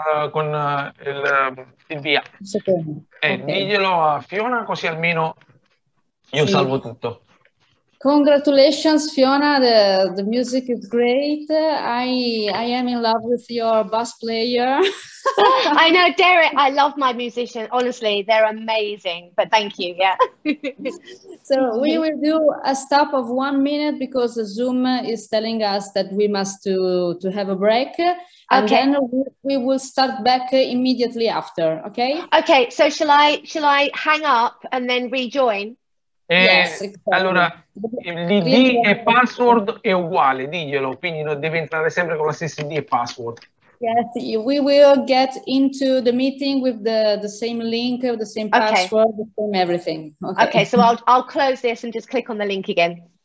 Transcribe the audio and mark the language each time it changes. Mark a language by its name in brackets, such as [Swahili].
[Italian] Con il via. Diglielo a Fiona così almeno io salvo tutto. [English] Congratulations, Fiona. The music is great. I am in love with your bass player. I know, Derek. I love my musician. Honestly, they're amazing. But thank you. Yeah. So we will do a stop of 1 minute because the Zoom is telling us that we must to have a break. Okay. And then we will start back immediately after. Okay. Okay. So shall I hang up and then rejoin? Yes, exactly. [Italian] Allora l'ID e password è uguale, diglielo, quindi non deve entrare sempre con la stessa ID e password. [English] Yes, we will get into the meeting with the same link, the same password, okay. The same everything. Okay, so I'll close this and just click on the link again.